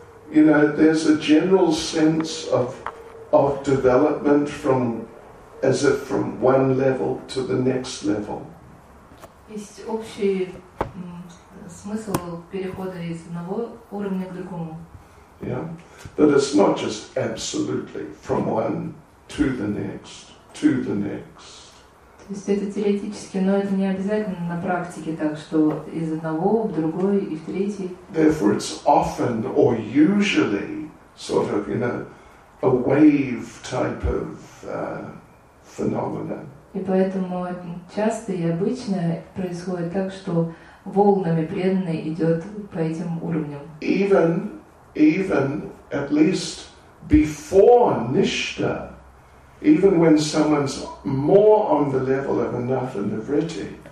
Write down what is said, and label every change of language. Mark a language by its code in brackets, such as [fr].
[en] You know, there's a general sense of development from, as if from one level to the next level. [ru] Есть общий смысл перехода из одного уровня к другому. [en] Yeah, but it's not just absolutely from one to the next, to the next. [ru] То есть это теоретически, но это не обязательно на практике так, что из одного в другой и в третий. [en] Therefore, it's often or usually sort of, you know, a wave type of phenomenon. [ru] И поэтому часто и обычно происходит так, что волнами преданный идет по этим уровням. [en] Even at least before nishta, even when someone's more on the level of anatta nivritti.